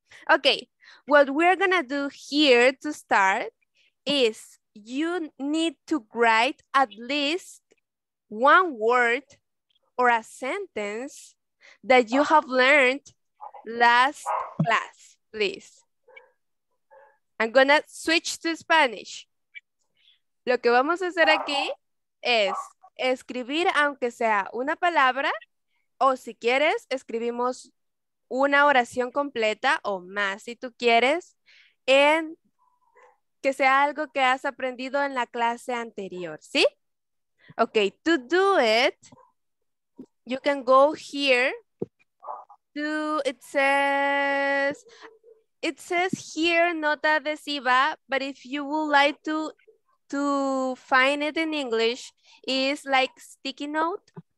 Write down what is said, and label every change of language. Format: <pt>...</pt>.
<en>Okay, what we're gonna do here to start is you need to write at least one word or a sentence that you have learned last class, please. I'm gonna switch to Spanish.</en> <es>Lo que vamos a hacer aquí es escribir aunque sea una palabra, o si quieres, escribimos una oración completa o más si tú quieres, en que sea algo que has aprendido en la clase anterior, ¿sí?</es> <en>Ok, to do it, you can go here to, it says here, nota adhesiva, but if you would like to to find it in English is like sticky note.</en>